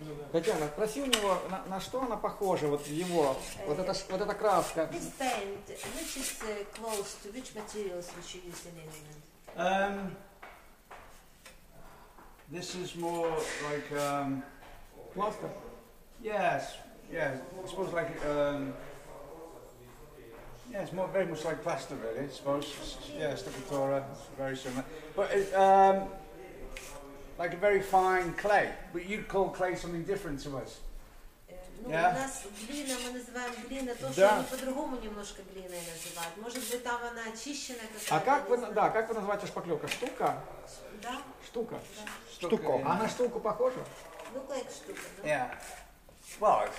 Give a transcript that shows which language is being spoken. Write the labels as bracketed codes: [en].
[ru] Татьяна, спроси у него, на что она похожа, вот его, вот эта краска. [en] This paint, which is close to which materials which you use in England? This is more like plaster. Yes, yeah, I suppose like yeah, it's more very much like plaster, really. I suppose, yeah, stuccatura, very similar, but it, like a very fine clay, but you'd call clay something different to us. Yeah. [ru] У нас глина, мы называем глина то, что мы по-другому немножко глиной называют. Может быть, там она очищена какая-то. А как вы, да, как вы называете шпаклёвка? Штука? Да. Штука. Да. Штука. А на штуку похожа? Ну, как штука, да. [en] Yeah. Well.